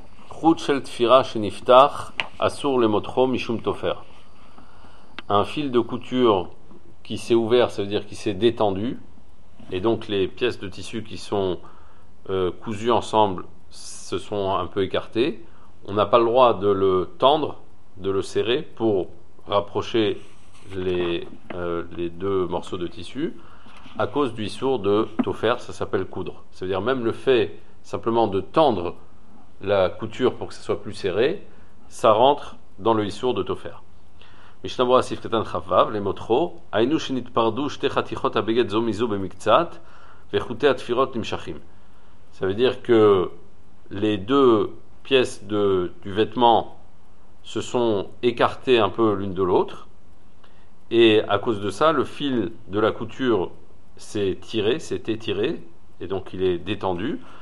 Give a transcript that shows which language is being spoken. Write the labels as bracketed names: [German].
[Hebrew] חוט של תפירה שנפתח אסור למותחו משום תופר. [French] Un fil de couture qui s'est ouvert, ça veut dire qui s'est détendu, et donc les pièces de tissu qui sont cousues ensemble se sont un peu écartées. On n'a pas le droit de le tendre, de le serrer pour rapprocher les deux morceaux de tissu à cause du issour de tofer, ça s'appelle coudre. Ça veut dire même le fait simplement de tendre la couture pour que ça soit plus serré, ça rentre dans le issour de tofer. [Hebrew] משנה ברורה סעיף קטן חבב, למותחו, היינו שנתפרדו שתי חתיכות הבגד זו מזו במקצת, וחוטי התפירות נמשכים. [French] Ça veut dire que les deux pièces du vêtement se sont écartées un peu l'une de l'autre, et à cause de ça, le fil de la couture s'est étiré, et donc il est détendu.